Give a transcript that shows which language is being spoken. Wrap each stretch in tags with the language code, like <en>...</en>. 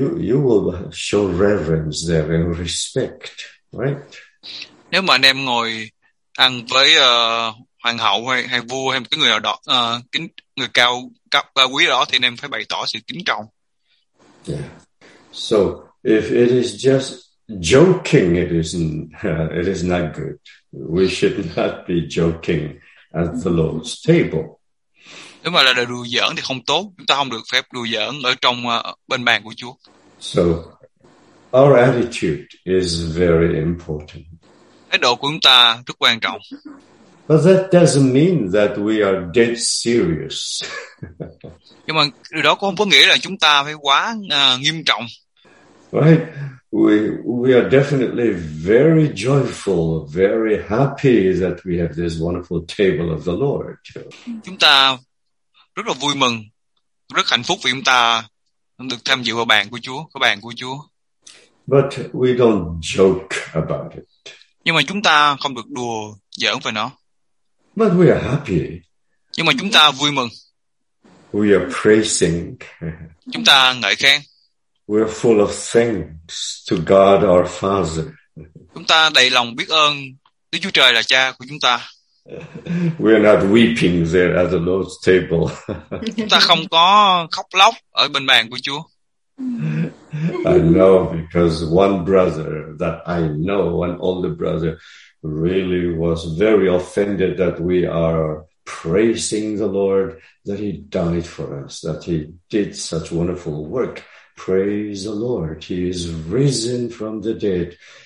<en>You will show reverence there and respect, right?</en> <vi>Nếu mà anh em ngồi ăn với hoàng hậu hay vua hay một cái người nào đó kính người cao cấp quý đó thì anh em phải bày tỏ sự kính trọng.</vi> <en>Yeah. So if it is just joking, it is not good. We should not be joking at the Lord's table.</en> <vi>Nếu mà là đùa giỡn thì không tốt. Chúng ta không được phép đùa giỡn ở trong bên bàn của Chúa.</vi> <en>So our attitude is very important.</en> <vi>Thái độ của chúng ta rất quan trọng.</vi> <en>But that doesn't mean that we are dead serious.</en> <vi>Nhưng mà điều đó cũng không có nghĩa là chúng ta phải quá nghiêm trọng.</vi> <en>Right? We are definitely very joyful, very happy that we have this wonderful table of the Lord.</en> <vi>Chúng ta rất là vui mừng, rất hạnh phúc vì chúng ta được tham dự vào bàn của Chúa, cái bàn của Chúa.</vi> <en>But we don't joke about it.</en> <vi>Nhưng mà chúng ta không được đùa giỡn về nó.</vi> <en>But we are happy.</en> <vi>Nhưng mà chúng ta vui mừng.</vi> <en>We are praising.</en> <vi>Chúng ta ngợi khen.</vi> <en>We are full of thanks to God our Father.</en> <vi>Chúng ta đầy lòng biết ơn Đức Chúa Trời là Cha của chúng ta.</vi> <en>We are not weeping there at the Lord's table.</en> <vi>Chúng ta không có khóc lóc ở bên bàn của Chúa.</vi> <en>I know because one brother that I know, an older brother, really was very offended that we are praising the Lord, that he died for us, that he did such wonderful work. Praise the Lord, he is risen from the dead.</en>